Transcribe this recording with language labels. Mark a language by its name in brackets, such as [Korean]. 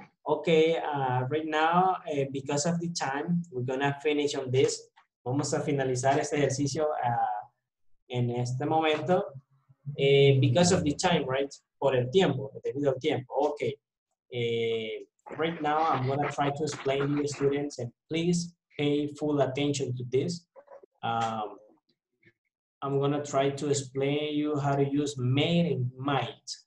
[English] Okay, right now, because of the time, we're gonna finish on this. [Spanish] Vamos a finalizar este ejercicio en este momento. [English] Because of the time, right? [Spanish] Por el tiempo, debido al tiempo. [English] Okay, right now I'm gonna try to explain to the students and please pay full attention to this. I'm gonna try to explain you how to use may and might.